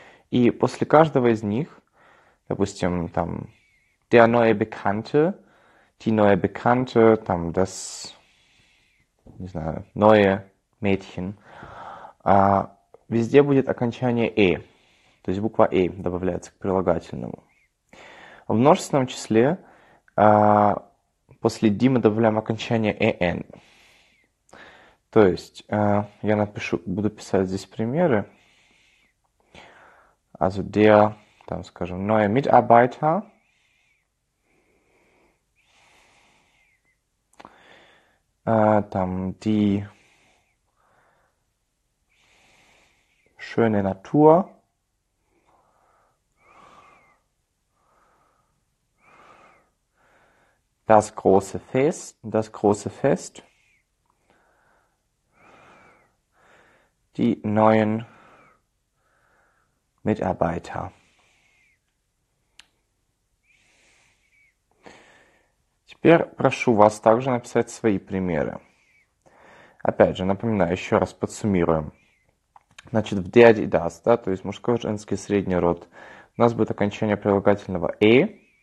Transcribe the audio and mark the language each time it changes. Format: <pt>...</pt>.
<ru>И после каждого из них, допустим, там,</ru> <de>der neue Bekannte, die neue Bekannte,</de> <ru>там, das, не знаю,</ru> <de>neue Mädchen,</de> <ru>везде будет окончание «e», то есть буква «e» добавляется к прилагательному. В множественном числе после «ди» мы добавляем окончание «эн». То есть, я напишу, буду писать здесь примеры.</ru> <de>Also der,</de> <ru>там скажем,</ru> <de>neue Mitarbeiter. Там die schöne Natur. Das große Fest, die neuen Mitarbeiter.</de> <ru>Теперь прошу вас также написать свои примеры. Опять же, напоминаю, еще раз подсуммируем. Значит, в der, die, das, да, то есть мужской, женский, средний род, у нас будет окончание прилагательного «e».</ru>